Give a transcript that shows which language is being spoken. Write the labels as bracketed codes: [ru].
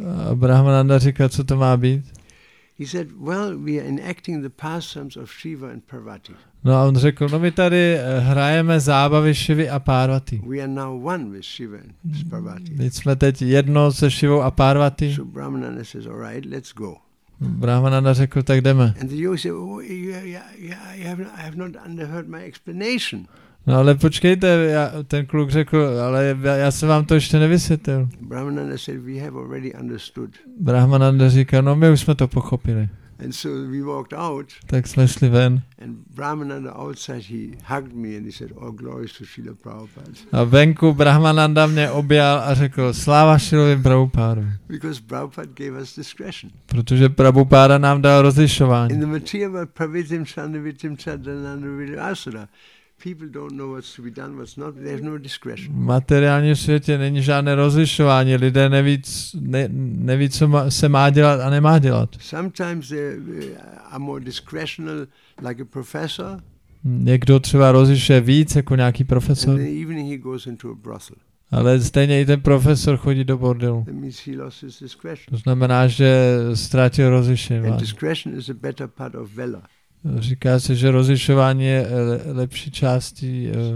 [cs] A Brahmananda říká, co to má být? [en] He said, well, we are enacting the pastimes of Shiva and Parvati. [cs] No a on řekl, no my tady hrajeme zábavy Shivy a Parvati. [en] We are now one with Shiva and Parvati. [cs] My jsme teď jedno se Shivou a Parvati. [en] So Brahmananda says, all right, let's go. [cs] Brahmananda řekl, tak jdeme. [en] And the yogi said, oh, I have not underheard my explanation. [cs] No ale počkejte, ten kluk řekl, ale já jsem vám to ještě nevysvětlil. [en] Brahmananda said, we have already understood. [cs] Brahmananda říká, no my už jsme to pochopili. [en] And so we walked out. [cs] Tak jsme šli ven. [en] And Brahmananda outside, he hugged me and he said, all glory to Srila Prabhupada. [cs] A venku Brahmananda mě objal a řekl, sláva Srilovi Prabhupádu. [en] Because Prabhupada gave us discretion. [cs] Protože Prabhupáda nám dal rozlišování. [en] In the material of Pravitim Chandavitim Chandanandavitim Asura, people don't know what's to be done, what's not. They have no discretion. [cs] V materiálním světě není žádné rozlišování. Lidé neví, co se má dělat a nemá dělat. [en] Sometimes they are more discretional, like a professor. [cs] Někdo třeba rozlišuje víc, jako nějaký profesor. [en] And even he goes into a brothel. [cs] Ale stejně i ten profesor chodí do bordelu. [en] That means he lost his discretion. [cs] To znamená, že ztratil rozlišení. [en] And discretion is a better part of valor. [cs] Říká se, že rozlišování je lepší části